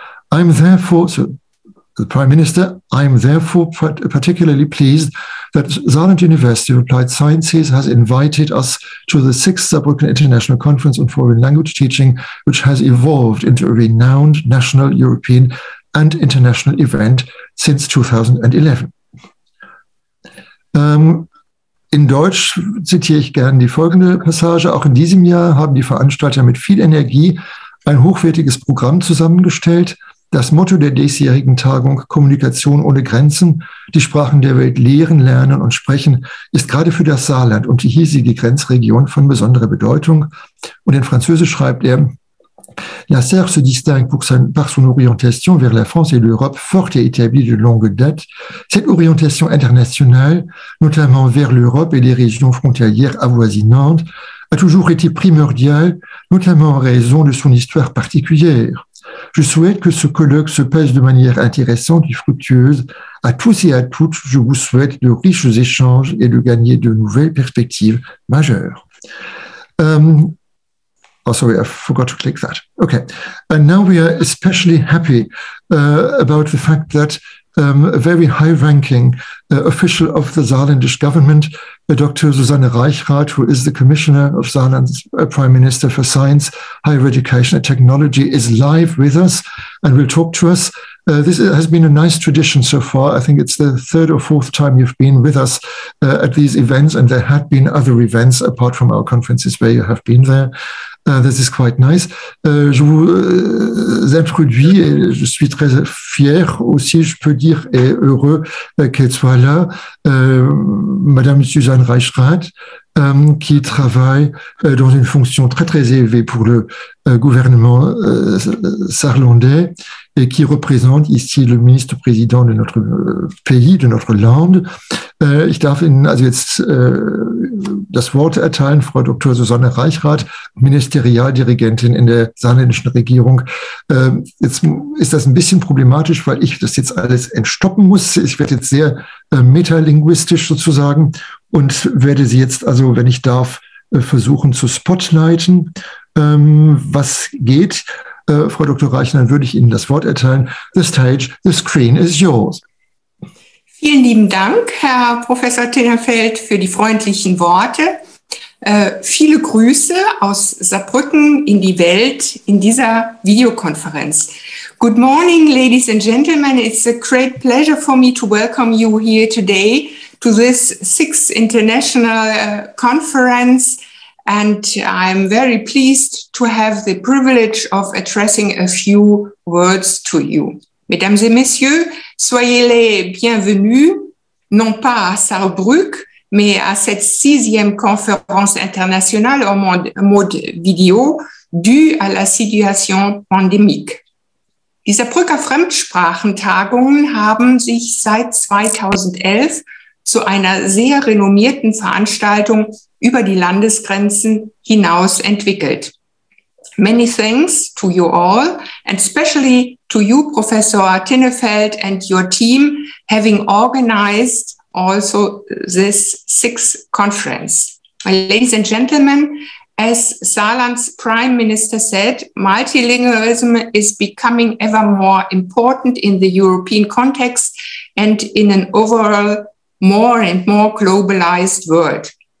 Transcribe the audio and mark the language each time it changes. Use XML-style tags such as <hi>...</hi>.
<en>I'm therefore particularly pleased that Saarland University of Applied Sciences has invited us to the 6th Saarbrücken International Conference on Foreign Language Teaching, which has evolved into a renowned national, European, and international event since 2011.</en> <de>In Deutsch zitiere ich gern die folgende Passage. Auch in diesem Jahr haben die Veranstalter mit viel Energie ein hochwertiges Programm zusammengestellt. Das Motto der diesjährigen Tagung Kommunikation ohne Grenzen, die Sprachen der Welt lehren, lernen und sprechen, ist gerade für das Saarland und die hiesige Grenzregion von besonderer Bedeutung. Und in Französisch schreibt er,</de> <fr>La Serre se distingue par son orientation vers la France et l'Europe, forte et établie de longue date. Cette orientation internationale, notamment vers l'Europe et les régions frontalières avoisinantes, a toujours été primordiale, notamment en raison de son histoire particulière. Je souhaite que ce colloque se passe de manière intéressante et fructueuse. À tous et à toutes, je vous souhaite de riches échanges et de gagner de nouvelles perspectives majeures.</fr> <en>Oh, sorry, I forgot to click that. Okay, and now we are especially happy about the fact that a very high-ranking official of the Saarlandish government, Dr. Susanne Reichrath, who is the Commissioner of Saarland's Prime Minister for Science, Higher Education and Technology, is live with us and will talk to us. This has been a nice tradition so far. I think it's the third or fourth time you've been with us at these events, and there had been other events apart from our conferences where you have been there. This is quite nice.</en> <fr>Je vous introduis et je suis très fier aussi, je peux dire, et heureux qu'elle soit là, Madame Susanne Reichrath, qui travaille dans une fonction très très élevée pour le gouvernement saarlandais et qui représente ici le ministre-président de notre pays, de notre land.</fr> <de>Ich darf Ihnen also jetzt das Wort erteilen, Frau Dr. Susanne Reichrath, Ministerialdirigentin in der saarländischen Regierung. Jetzt ist das ein bisschen problematisch, weil ich das jetzt alles entstoppen muss. Ich werde jetzt sehr metalinguistisch sozusagen und werde Sie jetzt also, wenn ich darf, versuchen zu spotlighten. Was geht? Frau Dr. Reichrath, dann würde ich Ihnen das Wort erteilen.</de> <en>The stage, the screen is yours.</en> <de>Vielen lieben Dank, Herr Professor Tingerfeld, für die freundlichen Worte. Viele Grüße aus Saarbrücken in die Welt in dieser Videokonferenz.</de> <en>Good morning, ladies and gentlemen. It's a great pleasure for me to welcome you here today to this sixth international conference. And I'm very pleased to have the privilege of addressing a few words to you.</en> <fr>Mesdames et messieurs, soyez les bienvenus, non pas à Saarbrück, mais à cette sixième conférence internationale en mode vidéo due à la situation pandémique.</fr> <de>Die Saarbrücker Fremdsprachentagungen haben sich seit 2011 zu einer sehr renommierten Veranstaltung über die Landesgrenzen hinaus entwickelt.</de> <en>Many thanks to you all, and especially to you, Professor Tinnefeld, and your team, having organized also this sixth conference. Well, ladies and gentlemen, as Saarland's Prime Minister said, multilingualism is becoming ever more important in the European context and in an overall more and more globalized world.</en>